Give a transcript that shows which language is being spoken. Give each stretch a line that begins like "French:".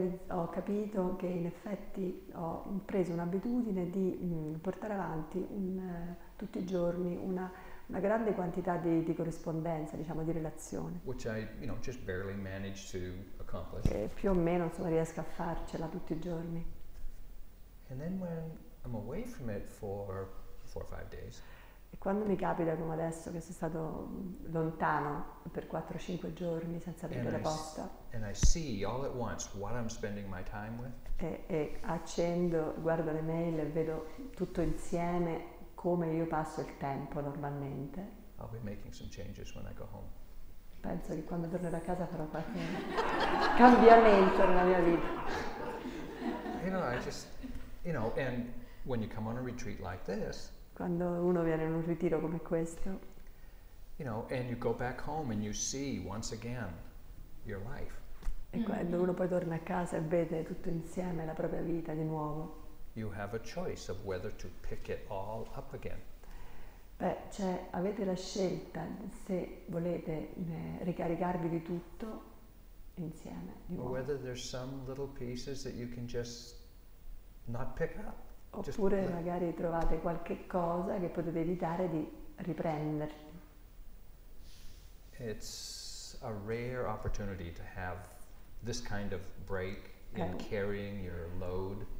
Italian: Ho capito che in effetti ho preso un'abitudine di portare avanti tutti i giorni una grande quantità di corrispondenza, diciamo di relazione,
English: which I, you know, just barely managed to accomplish.
Italian: Che più o meno insomma riesco a farcela tutti i giorni.
English: And then when I'm away from it for 4 or 5 days.
Italian: E quando mi capita come adesso che sono stato lontano per 4-5 giorni senza avere la posta.
English: And I see all at once what I'm spending my time with.
Italian: E accendo, guardo le mail e vedo tutto insieme come io passo il tempo normalmente.
English: I'll be making some changes when I go home.
Italian: Penso che quando tornerò a casa farò qualche cambiamento nella mia vita.
English: You know, I just, you know, and when you come on a retreat like this.
Italian: Quando uno viene in un ritiro come questo.
English: You know, and you go back home and you see once again your life.
Italian: E quando uno poi torna a casa e vede tutto insieme la propria vita di nuovo.
English: You have a choice of whether to pick it all up again.
Italian: Beh, cioè avete la scelta se volete ricaricarvi di tutto insieme di nuovo.
English: Or whether there's some little pieces that you can just not pick up.
Italian: Oppure magari trovate qualche cosa che potete evitare di riprenderli.
English: It's a rare opportunity to have this kind of break in carrying your load.